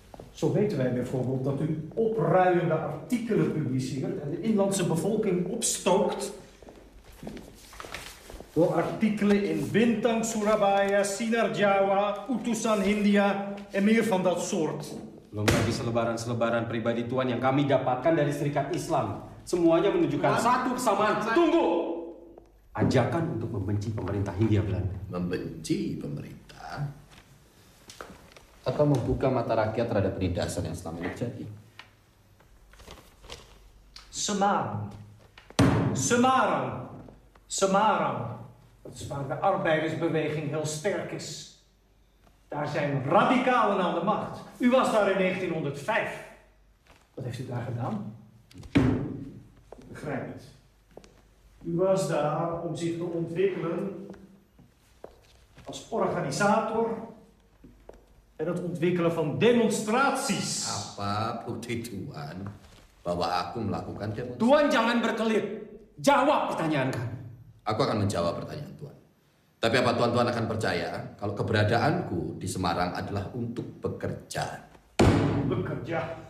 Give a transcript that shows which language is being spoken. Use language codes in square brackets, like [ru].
[nl] Zo weten wij bijvoorbeeld dat u opruiende artikelen publiceert en de inlandse bevolking opstookt door artikelen in Bintang, Surabaya, Sinar Jawa, Utusan Hindia en meer van dat soort. [id] Belum lagi selebaran-selebaran pribadi Tuan yang kami dapatkan dari Serikat Islam. Semuanya menunjukkan satu kesamaan. Tunggu! Ajakan untuk membenci pemerintah Hindia Belanda. Membenci pemerintah? Atau membuka mata rakyat terhadap penindasan yang selama ini terjadi? Semarang. [nl] Waar de arbeidersbeweging heel sterk is. Daar zijn radicalen aan de macht. U was daar in 1905. Wat heeft u daar gedaan? Begrijp het. U was daar om zich te ontwikkelen als organisator en het ontwikkelen van demonstraties. [id] Apa, Putri Tuan, bahwa aku melakukan demonstrasi? Tuan, jangan berkelit. Jawab pertanyaan kami. Aku akan menjawab pertanyaan Tuan. Tapi apa Tuan-Tuan akan percaya kalau keberadaanku di Semarang adalah untuk bekerja? Bekerja?